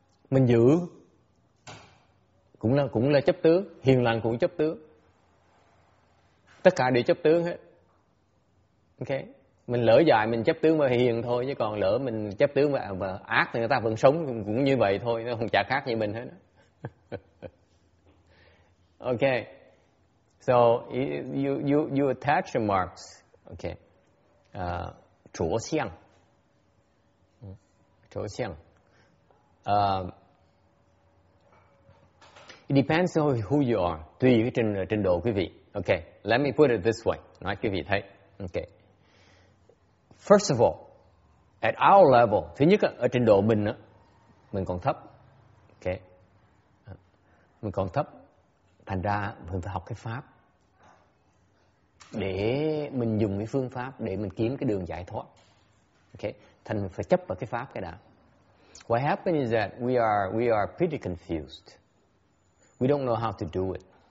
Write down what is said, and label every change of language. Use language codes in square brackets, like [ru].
[vi] Mình giữ cũng là chấp tướng, hiền lành cũng chấp tướng. Tất cả đều chấp tướng hết. Ok. Mình lỡ dài mình chấp tướng vào hiền thôi, chứ còn lỡ mình chấp tướng vào ác thì người ta vẫn sống cũng như vậy thôi, nó không chả khác như mình hết. Ok. [en] So you attach your marks. Ok. Chỗ xiang. Chỗ xiang. It depends on who you are. [vi] Tùy cái trình độ quý vị. Ok. [en] Let me put it this way. [vi] Nói quý vị thấy. Ok. [en] First of all, at our level, [vi] thứ nhất ở trình độ mình á, mình còn thấp. Ok. Mình còn thấp. Thành ra mình phải học cái pháp để mình dùng cái phương pháp để mình kiếm cái đường giải thoát. Ok. Thành phải chấp vào cái pháp cái đã. [en] What happened is that we are pretty confused. We don't know how to do it.